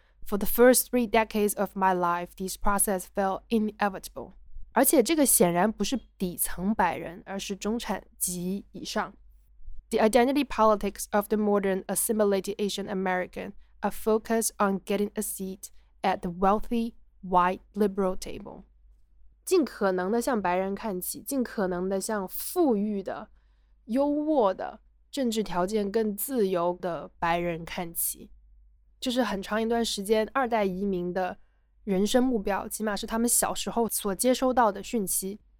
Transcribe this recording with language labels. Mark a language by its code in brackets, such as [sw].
[en] For the first 3 decades of my life, this process felt inevitable. [zh] 而且这个显然不是底层白人，而是中产及以上。 [en] The identity politics of the modern assimilated Asian American are focused on getting a seat at the wealthy white liberal table. [zh] 尽可能的向白人看齐，尽可能的向富裕的、优渥的、政治条件更自由的白人看齐。就是很长一段时间二代移民的人生目标，起码是他们小时候所接收到的讯息。